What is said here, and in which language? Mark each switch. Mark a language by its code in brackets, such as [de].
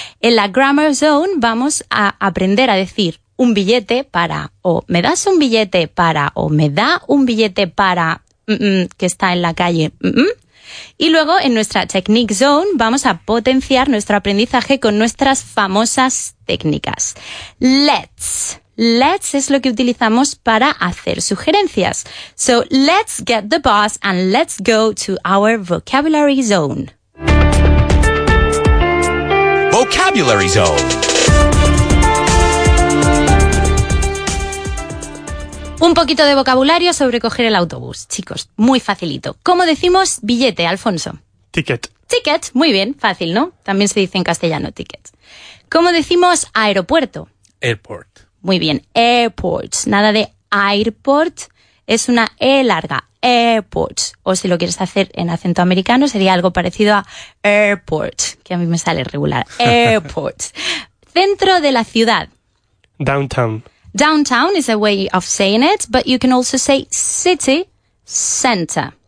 [es] En la Grammar Zone vamos a aprender a decir un billete para, o me das un billete para, o me da un billete para, que está en la calle. Y luego en nuestra Technique Zone vamos a potenciar nuestro aprendizaje con nuestras famosas técnicas. Let's. Let's es lo que utilizamos para hacer sugerencias. [en] So let's get the bus and let's go to our Vocabulary Zone. Vocabulary Zone. [es] Un poquito de vocabulario sobre coger el autobús, chicos. Muy facilito. ¿Cómo decimos billete, Alfonso? [en] Ticket. [es] Ticket. Muy bien. Fácil, ¿no? También se dice en castellano ticket. ¿Cómo decimos aeropuerto? [en] Airport. [es] Muy bien. Airport. Nada de airport. Es una E larga. Airport. O si lo quieres hacer en acento americano, sería algo parecido a airport, que a mí me sale regular. Airport. Centro de la ciudad. [en] Downtown. Downtown is a way of saying it, but you can also say city center.